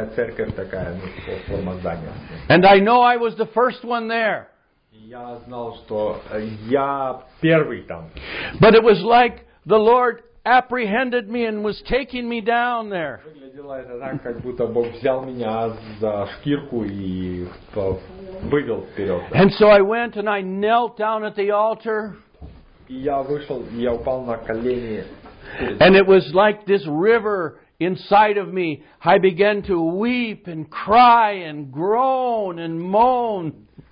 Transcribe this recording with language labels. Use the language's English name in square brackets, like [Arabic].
[Russian] церковь такая, ну, форма здания. [English] And I know I was the first one there. [Russian] Я знал, что я первый там. [English] But it was like the Lord apprehended me and was taking me down there. [Russian] Выглядело это так, как будто Бог взял меня за шкирку и вывел вперед. [English] And so I went and I knelt down at the altar. [Russian] И я вышел, и я упал на колени. [English] And it was like this river inside of me. I began to weep and cry and groan and moan.